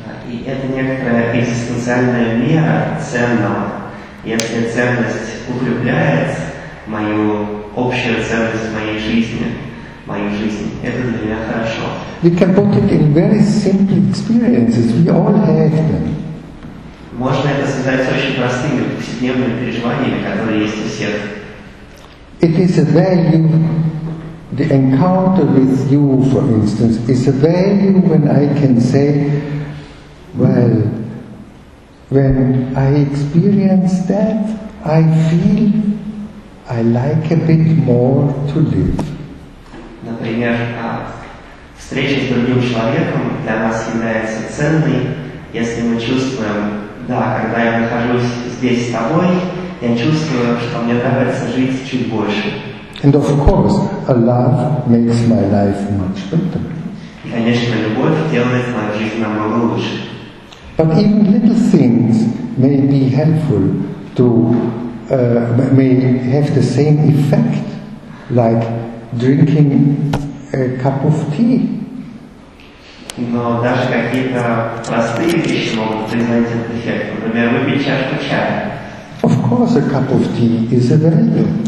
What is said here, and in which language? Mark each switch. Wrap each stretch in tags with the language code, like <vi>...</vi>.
<ru>И это некоторая экзистенциальная мера ценного. Если ценность укрепляет мою общую ценность моей жизни, это для меня хорошо.</ru> <en>We can put it in very simple experiences. We all have them.</en> <ru>Можно это сказать с очень простыми повседневными переживаниями, которые есть у всех.</ru> <en>It is a value. The encounter with you, for instance, is a value when I can say, well, when I experience that, I feel I like a bit more to live.</en> <ru>Например, встреча с другим человеком для нас является ценной, если мы чувствуем, да, когда я нахожусь здесь с тобой, я чувствую, что мне нравится жить чуть больше.</ru> <en>And of course, a love makes my life much better.</en> <ru>Конечно, любовь делает мою жизнь намного лучше.</ru> <en>But even little things may be helpful to may have the same effect, like drinking a cup of tea.</en> <ru>Но даже какие-то простые вещи могут принести этот эффект. Например, выпить чашку чая.</ru> <en>Of course, a cup of tea is a value.</en>